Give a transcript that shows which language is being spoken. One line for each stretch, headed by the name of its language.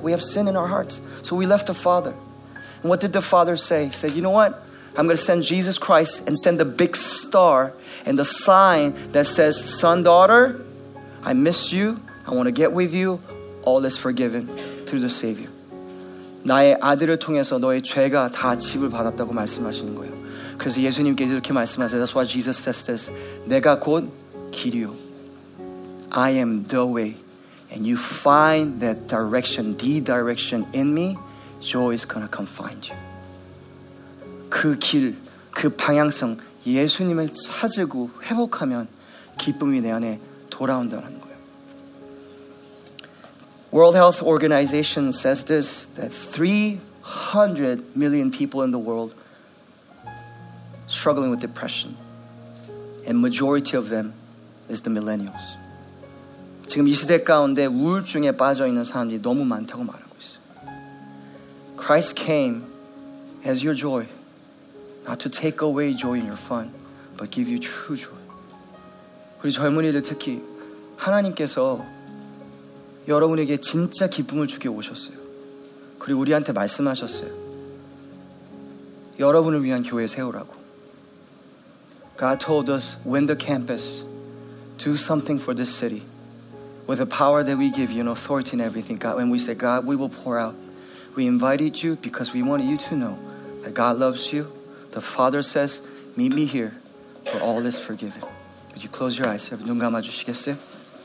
English: We have sin in our hearts. So we left the Father. And what did the Father say? He said, you know what? I'm going to send Jesus Christ and send the big star and the sign that says, son, daughter, I miss you. I want to get with you. All is forgiven through the Savior.
Korean: 나의 아들을 통해서 너의 죄가 다 지불 받았다고 말씀하시는 거예요. 그래서 예수님께서 이렇게 말씀하세요.
English: That's why Jesus says this.
Korean: 내가 곧 길이요.
English: I am the way. And you find that direction, the direction in me, joy is gonna come find you.
Korean: 그 길, 그 방향성, 예수님을 찾고 회복하면 기쁨이 내 안에 돌아온다는 거예요.
English: World Health Organization says this, that 300 million people in the world struggling with depression. And majority of them is the millennials.
Korean: 지금 이 시대 가운데 우울증에 빠져 있는 사람들이 너무 많다고 말하고 있어요.
English: Christ came as your joy, not to take away joy in your fun, but give you true joy.
Korean: 우리 젊은이들 특히 하나님께서 여러분에게 진짜 기쁨을 주기 오셨어요. 그리고 우리한테 말씀하셨어요. 여러분을 위한 교회 세우라고.
English: God told us, win the campus, do something for this city. With the power that we give you and authority in everything, God, when we say, God, we will pour out. We invited you because we wanted you to know that God loves you. The Father says, meet me here, for all is forgiven. Would you close your eyes?
Korean: 눈 감아주시겠어요?